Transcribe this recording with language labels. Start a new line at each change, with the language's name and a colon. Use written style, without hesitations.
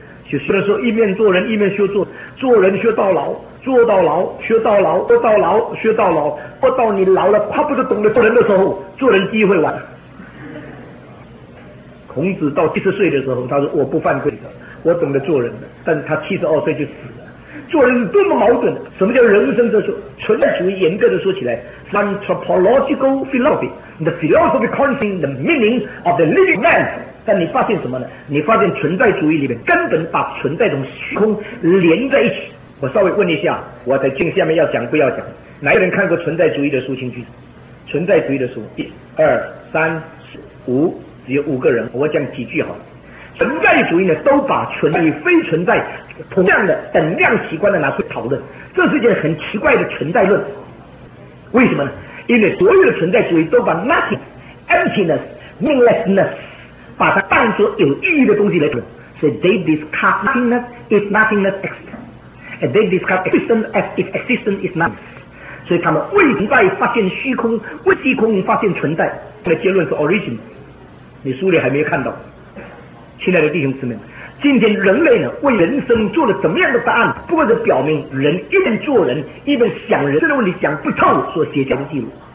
Chinese: 就虽然说一面做人一面学做，做人学到老，做到老学到老，做到老学到老，不到你老了怕不是懂得做人的时候，做人机会晚。孔子到70岁的时候，他说我不犯规的，我懂得做人的，但是他72岁就死了。做人是多么矛盾的，什么叫人生哲学？存在主义严格的说起来
English: anthropological philosophy， the philosophy concerning the meaning of the living man。
Chinese: 但你发现什么呢？你发现存在主义里面根本把存在同虚空连在一起。我稍微问一下，我在听下面要讲不要讲，哪有人看过存在主义的书？请举手。存在主义的书，1、2、3、4、5，只有5个人。我讲几句好了。存在主义呢，都把存在与非存在同样的等量习惯的拿出讨论，这是一件很奇怪的存在论。为什么呢？因为所有的存在主义都把 nothing、emptiness、meaninglessness。把它当作有意义的东西来说，所以
English: they discard nothingness if nothingness exists， and they discard existence as if existence is nothing。
Chinese: 所以他们为存在发现虚空，为虚空发现存在，这个结论是 origin。你书里还没有看到，亲爱的弟兄姊妹，今天人类呢为人生做了怎么样的答案，不过是表明人一边做人一边想人生的问题想不透所写下的记录。